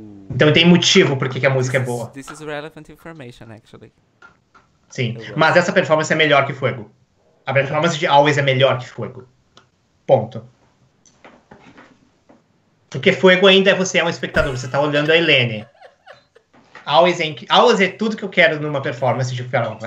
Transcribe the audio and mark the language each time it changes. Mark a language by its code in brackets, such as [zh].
[pt] Então tem motivo por que a música é boa. [en] This is relevant information, actually. [pt] Sim, mas essa performance é melhor que Fuego. A performance de Always é melhor que Fuego. Ponto. Porque Fuego ainda é, você é um espectador, você tá olhando a Helene. Always é tudo que eu quero numa performance de farofa.